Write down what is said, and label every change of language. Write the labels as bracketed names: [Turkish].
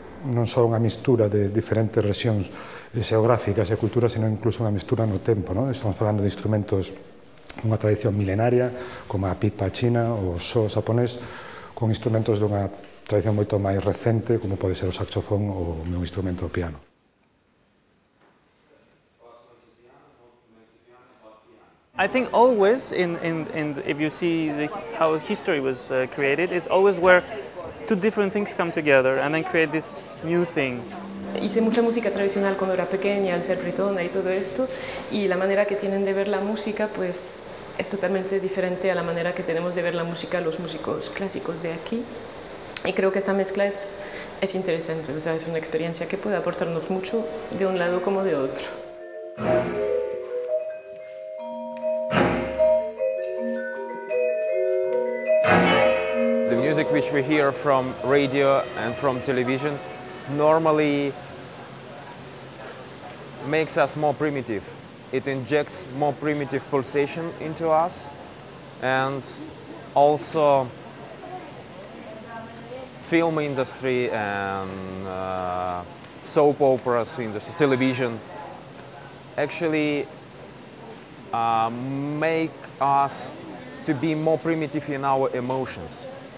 [Spanish] Non solo una mistura de diferentes regiones geográficas y culturas, sino incluso una mistura en el tiempo, ¿no? Estamos hablando de instrumentos de una tradición milenaria, como la pipa china o el shō japonés, con instrumentos de una tradición mucho más reciente, como puede ser el saxofón o un instrumento piano. [English] I think always in if you see how history was created, it's always where two different things come together and then create this new thing. [Spanish] Hice mucha música tradicional cuando era pequeña, al ser bretona y todo esto, y la manera que tienen de ver la música pues es totalmente diferente a la manera que tenemos de ver la música los músicos clásicos de aquí. Y creo que esta mezcla es interesante, o sea, es una experiencia que puede aportarnos mucho de un lado como de otro. [English] The music which we hear from radio and from television normally makes us more primitive. It injects more primitive pulsation into us, and also film industry and soap operas industry, television actually make us to be more primitive in our emotions.